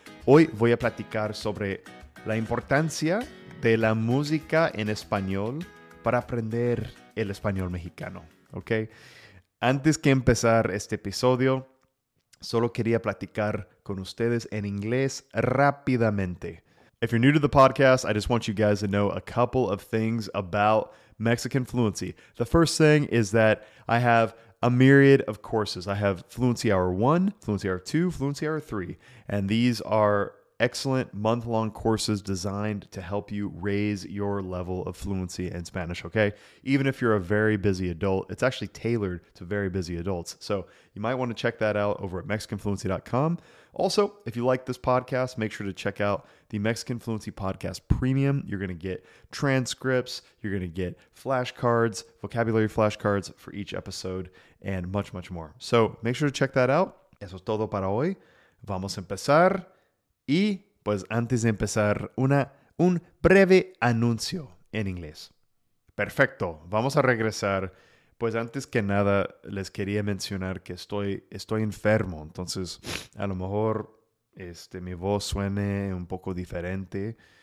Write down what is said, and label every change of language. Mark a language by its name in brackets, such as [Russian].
[Spanish] Hoy voy a platicar sobre la importancia de la música en español para aprender el español mexicano, ¿ok? Antes que empezar este episodio, solo quería platicar con ustedes en inglés rápidamente. [English] If you're new to the podcast, I just want you guys to know a couple of things about Mexican Fluency. The first thing is that I have a myriad of courses. I have Fluency Hour 1, Fluency Hour 2, Fluency Hour 3. And these are excellent month-long courses designed to help you raise your level of fluency in Spanish, okay? Even if you're a very busy adult, it's actually tailored to very busy adults. So you might want to check that out over at MexicanFluency.com. Also, if you like this podcast, make sure to check out the Mexican Fluency Podcast Premium. You're going to get transcripts, you're going to get flashcards, vocabulary flashcards for each episode, and much, much more. So make sure to check that out. [Spanish] Eso es todo para hoy. Vamos a empezar. Y pues antes de empezar, un breve anuncio en inglés. Perfecto, vamos a regresar. Pues antes que nada, les quería mencionar que estoy enfermo. Entonces, a lo mejor mi voz suene un poco diferente.